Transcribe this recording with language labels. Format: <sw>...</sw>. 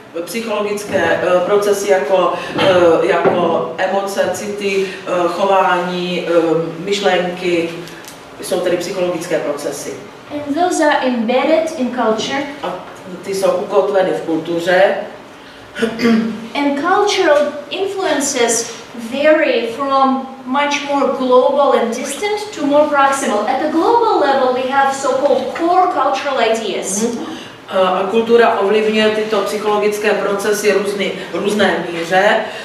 <cs>Psychologické procesy jako emoce, city, chování, myšlenky jsou tedy psychologické procesy.</cs> <en>And those are embedded in culture.</en> <cs>A ty jsou ukotveny v kultuře.</cs> <en>And cultural influences vary from much more global and distant to more proximal. At the global level, we have so-called core cultural ideas.</en> <cs>A kultura ovlivňuje tyto psychologické procesy různé míře.</cs>